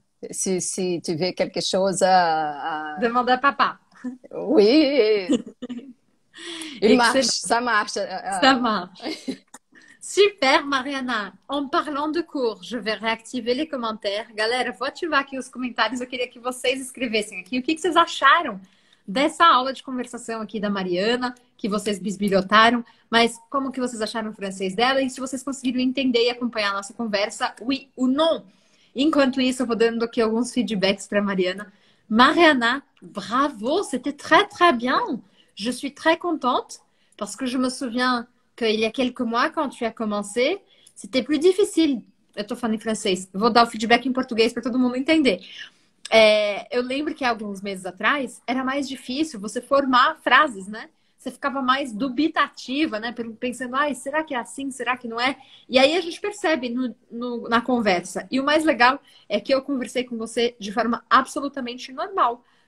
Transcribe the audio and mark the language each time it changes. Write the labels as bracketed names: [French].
[French] Si tu veux quelque chose. Demande à papa. Oui, il Excellent. marche, ça marche. Ça marche. Super, Mariana. En parlant de cours, je vais réactiver les commentaires. [Portuguese] Galera, vou ativar aqui os comentários. Eu queria que vocês escrevessem aqui o que que vocês acharam dessa aula de conversação aqui da Mariana, que vocês bisbilhotaram, mas como que vocês acharam o francês dela e se vocês conseguiram entender e acompanhar a nossa conversa, [French] oui ou non. [Portuguese] Enquanto isso, eu vou dando aqui alguns feedbacks para Mariana. [French] Mariana, bravo, c'était très très bien. Je suis très contente parce que je me souviens qu'il y a quelques mois, quand tu as commencé, C'était plus difficile. [Portuguese] Eu tô falando em francês. Vou dar o feedback em português para todo mundo entender. É, eu lembro que alguns meses atrás era mais difícil você formar frases, né? Você ficava mais dubitativa, né? Pensando, ai, será que é assim? Será que não é? E aí a gente percebe no, no, na conversa. E o mais legal é que eu conversei com você de forma absolutamente normal.